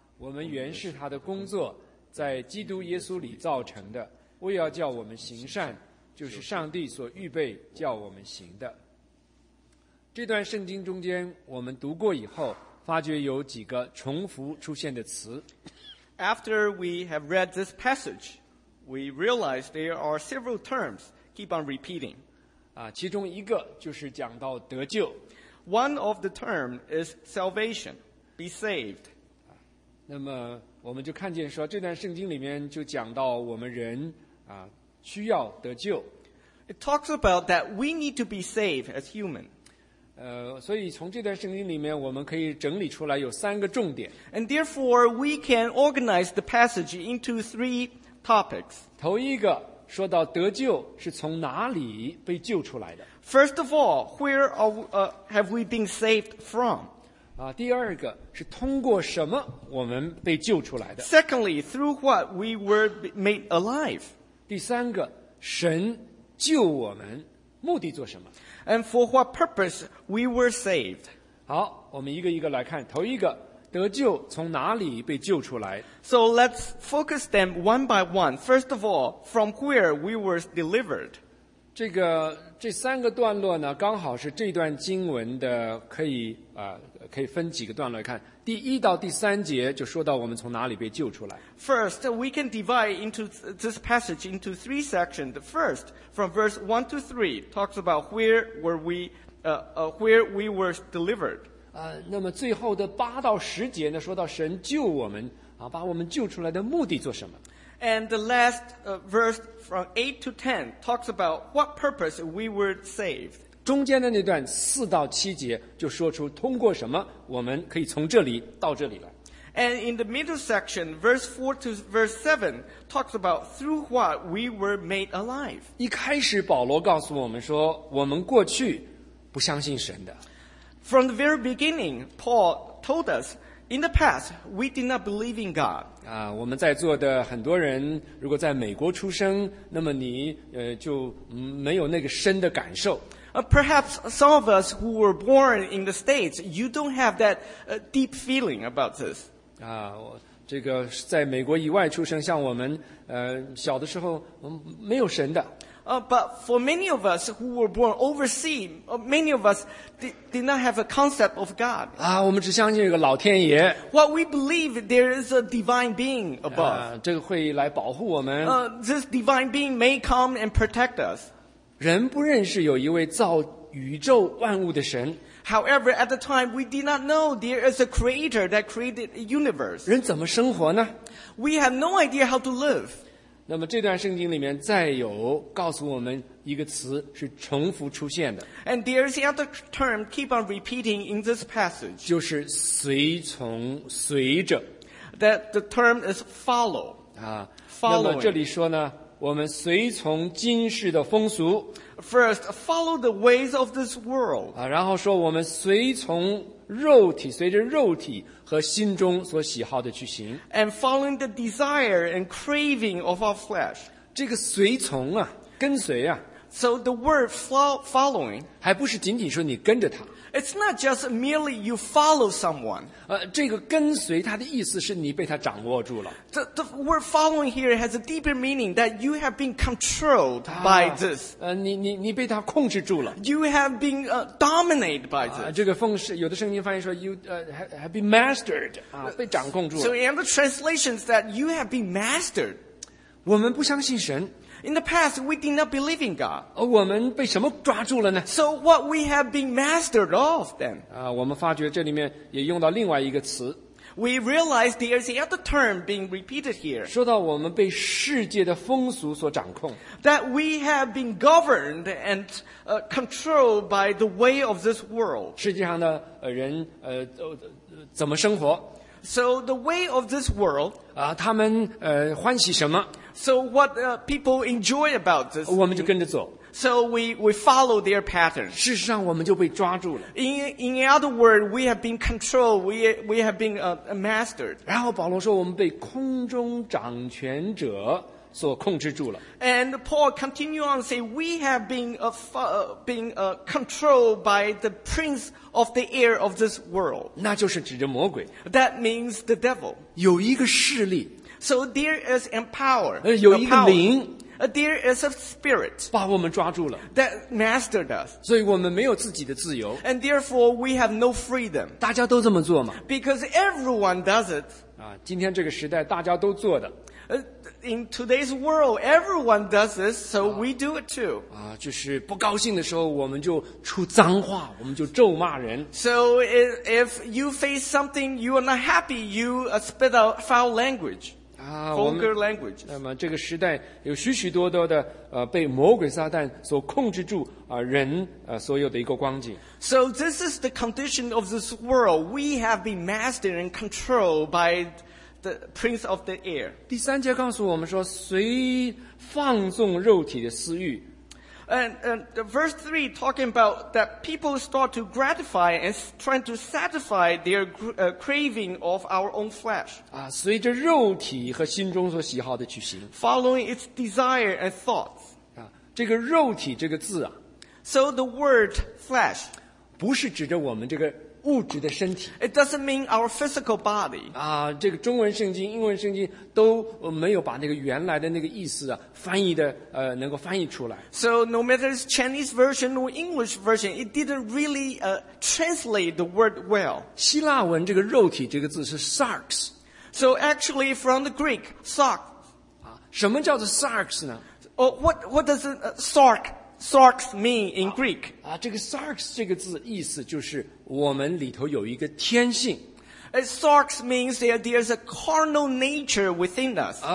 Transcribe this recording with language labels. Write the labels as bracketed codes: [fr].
[zh] 我们原是他的工作，在基督耶稣里造成的，为要叫我们行善，就是上帝所预备叫我们行的。这段圣经中间我们读过以后，发觉有几个重复出现的词。 [en] After we have read this passage, we realize there are several terms keep on repeating. [zh] 其中一个就是讲到得救。 [en] One of the term is salvation, be saved. [zh] 那么我们就看见说，这段圣经里面就讲到我们人需要得救。 [en] It talks about that we need to be saved as human. [zh] 所以从这段圣经里面我们可以整理出来有三个重点。 [en] And therefore we can organize the passage into three topics. [zh] 头一个说到得救是从哪里被救出来的。 [en] First of all, have we been saved from? [zh] 第二个是通过什么我们被救出来的。 [en] Secondly, through what we were made alive. [zh] 第三个，神救我们，目的做什么 [en] ？And for what purpose we were saved？ [zh] 好，我们一个一个来看。头一个，得救从哪里被救出来 [en] ？So let's focus them one by one. First of all, from where we were delivered？ [zh] 这三个段落呢，刚好是这段经文的，可以分几个段落来看。第一到第三节就说到我们从哪里被救出来。 [en] First, we can divide into this passage into three sections. The first, from verse 1 to 3, talks about where we were delivered. [zh] 那么最后的八到十节呢，说到神救我们，把我们救出来的目的做什么。 [en] And the last verse from 8 to 10 talks about what purpose we were saved. [zh] 中间的那段四到七节就说出通过什么我们可以从这里到这里来。 [en] And in the middle section, verse 4 to verse 7 talks about through what we were made alive. [zh] 一开始保罗告诉我们说，我们过去不相信神的。 [en] From the very beginning, Paul told us,In the past, we did not believe in God. [zh] 我们在座的很多人，如果在美国出生，那么你就没有那个深的感受。 [en] Perhaps some of us who were born in the States, you don't have that deep feeling about this. [zh] 这个在美国以外出生，像我们小的时候没有神的。 [en] But for many of us who were born overseas, many of us did not have a concept of God. [zh] 我们只相信一个老天爷。 [en] What we believe there is a divine being above. [zh] 这个会来保护我们。 [en] This divine being may come and protect us. [zh] 人不认识有一位造宇宙万物的神。 [en] However, at the time, we did not know there is a creator that created a universe. [zh] 人怎么生活呢？ [en] We have no idea how to live. [zh] 那么这段圣经里面再有告诉我们一个词是重复出现的。 [en] And there is the other term keep on repeating in this passage. [zh] 就是随从随着。 [en] That the term is follow. Following. [zh] 那么这里说呢，我们随从今世的风俗。 [en] First, follow the ways of this world. [zh] 然后说我们随从肉体，随着肉体和心中所喜好的去行。 [en] And following the desire and craving of our flesh. [zh] 这个随从啊，跟随啊。 [en] So the word following [zh] 还不是仅仅说你跟着他。 [en] It's not just merely you follow someone. [zh] 这个跟随他的意思是你被他掌握住了。 [en] The word following here has a deeper meaning that you have been controlled by this. [zh] 你被他控制住了。 [en] You have been dominated by this. [zh] 这个奉是有的圣经翻译说 [en] you have been mastered. [zh] 被掌控住了。 [en] So in the translations that you have been mastered. [zh] 我们不相信神。 [en] In the past, we did not believe in God. [zh] 我们被什么抓住了呢? [en] So what we have been mastered of then? [zh] 我们发觉这里面也用到另外一个词。 [en] We realize there is another term being repeated here. [zh] 说到我们被世界的风俗所掌控。 [en] That we have been governed and controlled by the way of this world. [zh] 世界上的人怎么生活? [en] So the way of this world. [zh] 他们欢喜什么? [en] So what people enjoy about this? [zh] 我们就跟着走。 [en] So we follow their pattern. [zh] 事实上我们就被抓住了。 [en] In other words, we have been controlled, we have been mastered. [zh] 然后保罗说我们被空中掌权者所控制住了。 [en] And Paul continue on say, we have been, controlled by the prince of the air of this world. [zh] 那就是指着魔鬼。 [en] That means the devil. [zh] 有一个势力。 [en] So there is a power, [zh] 有一个灵 [en] there is a spirit, [zh] 把我们抓住了 [en] that mastered us. [zh] 所以我们没有自己的自由 [en] and therefore we have no freedom. [zh] 大家都这么做吗 [en] because everyone does it. [zh] 今天这个时代大家都做的 [en] in today's world, everyone does this, so we do it too. [zh] 就是不高兴的时候我们就出脏话我们就咒骂人 [en] So if you face something, you are not happy, you spit out foul language. Vulgar language. [zh] 那么这个时代有许许多多的被魔鬼撒旦所控制住人所有的一个光景。 [en] So this is the condition of this world. We have been mastered and controlled by the prince of the air. [zh] 第三节告诉我们说，谁放纵肉体的私欲。 [en] And verse 3 talking about that people start to gratify and trying to satisfy their craving of our own flesh. [zh] 随着肉体和心中所喜好的去行。 [en] Following its desire and thoughts. [zh] 这个肉体这个字啊。 [en] So the word flesh. [zh] 不是指着我们这个物质的身体。 [en] It doesn't mean our physical body. [zh] 这个中文圣经、英文圣经都没有把那个原来的那个意思翻译的能够翻译出来。 [en] So no matter it's Chinese version or English version, it didn't really translate the word well. [zh] 希腊文这个肉体这个字是 sarx. [en] So actually from the Greek, sarx. [zh] 什么叫做 sarx 呢？ [en] What does sarx mean in Greek? [zh] 这个 sarx 这个字意思就是我们里头有一个天性。 [en] Sarx means there's a carnal nature within us.